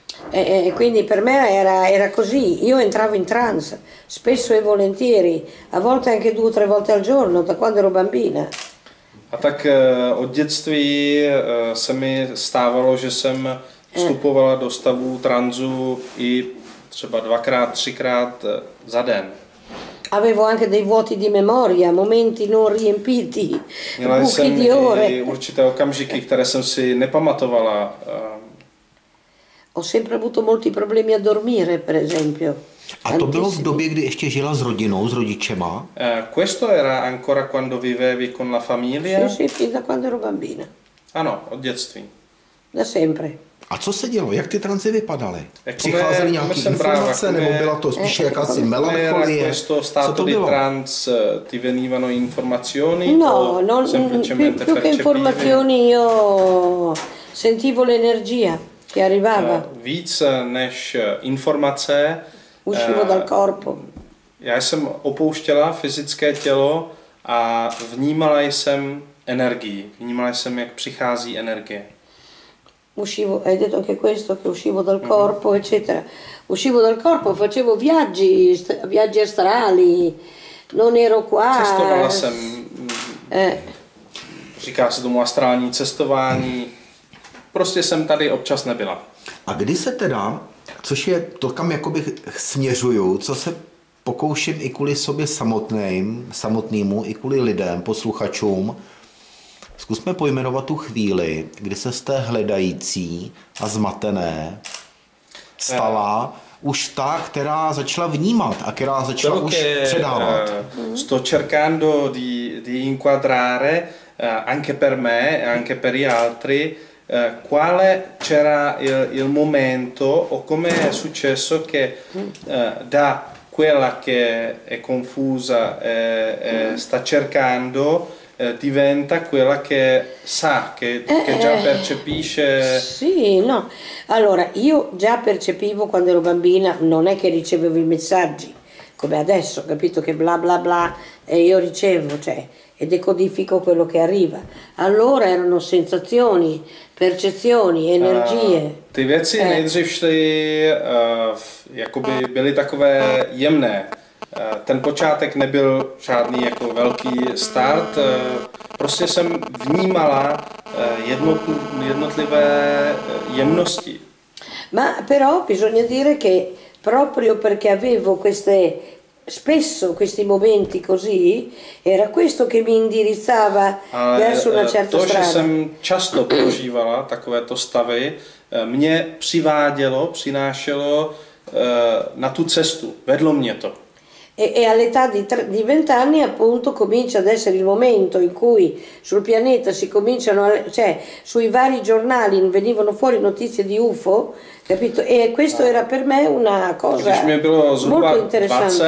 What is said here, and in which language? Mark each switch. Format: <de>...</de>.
<it>E quindi per me era così, io entravo in trance spesso e volentieri, a volte anche due o tre volte al giorno da quando ero bambina.</it> <cs>A tak od dětství se mi stávalo, že jsem vstupovala do stavu tranzu i třeba dvakrát, třikrát za den.</cs> <it>Avevo anche dei vuoti di memoria, momenti non riempiti, buchi di ore.</it> <cs>Měla jsem i určité okamžiky, které jsem si nepamatovala.</cs> <it>Ho sempre avuto molti problemi a dormire, per esempio.</it> <cs>A to bylo v době, kdy ještě žila s rodinou, s rodičema?</cs> <it>Questo era ancora quando vivevi con la famiglia? Sì, fin da quando ero bambina.</it> <cs>Ano, od dětství.</cs> <it>Da sempre.</it> <cs>A co se dělo? Jak ty tranzy vypadaly? Přicházely nějaké informace, nebo byla to spíš jakási melancholie? Co to bylo?</cs> <it>Trans, ty venivano informazioni? No, non più che informazioni, io sentivo l'energia che arrivava.</it> <cs>Víc než informace.</cs> <it>Uscivo dal corpo.</it> <cs>Já jsem opouštěla fyzické tělo a vnímala jsem energii. Vnímala jsem, jak přichází energie.</cs> <it>Uscivo, hai detto anche questo, che uscivo dal corpo, eccetera. Uscivo dal corpo, facevo viaggi astrali, non ero qua.</it> <cs>Cestovala jsem, říká se tomu astrální cestování, prostě jsem tady občas nebyla. A kdy se teda, což je to, kam jakoby směřuju, co se pokouším i kvůli sobě samotnému, i kvůli lidem, posluchačům, Zkusme pojmenovat tu chvíli, kdy se z té hledající a zmatené stala už ta, která začala vnímat a která začala už předávat.</cs> <it>Sto cercando di inquadrare anche per me e anche per gli altri quale c'era il momento o come è successo che da quella che è confusa sta cercando diventa quella che sa, che già percepisce. Sì, no. Allora, io già percepivo quando ero bambina, non è che ricevevo i messaggi, come adesso, capito, che bla bla bla, e io ricevo, cioè, e decodifico quello che arriva. Allora erano sensazioni, percezioni, energie.</it> <cs>Ty věci nejdřív šly, jakoby byly takové jemné. Ten počátek nebyl žádný jako velký start, prostě jsem vnímala jednotlivé jemnosti.</cs> <it>Ma però bisogna dire che proprio perché avevo queste spesso questi momenti così era questo che mi indirizzava verso una certa strada.</it> <cs>To, že jsem často prožívala takovéto stavy, mě přivádělo, přinášelo na tu cestu, vedlo mě to.</cs> <it>E all'età di 20 anni appunto comincia ad essere il momento in cui sul pianeta si cominciano, cioè sui vari giornali venivano fuori notizie di UFO, capito? E questo era per me una cosa molto interessante.</it>